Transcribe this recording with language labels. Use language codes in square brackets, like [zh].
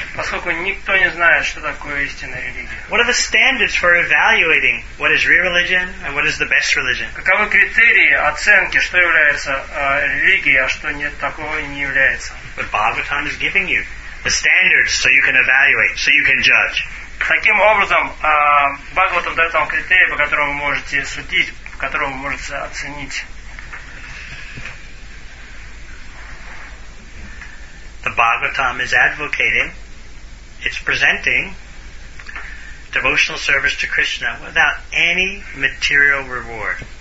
[ru] Поскольку никто не знает, что такое истинная религия. [en] What are the standards for evaluating what is real religion and what is the best religion? [ru] Каковы критерии оценки, что является религией, а что нет, такого не является? [en] But Bhagavatam is giving you the standards so you can evaluate, so you can judge. [ru] Таким образом, Бхагаватам дает вам критерии, по которым вы можете судить, по которым вы можете оценить. [en] The Bhagavatam is advocating, it's presenting devotional service to Krishna without any material reward.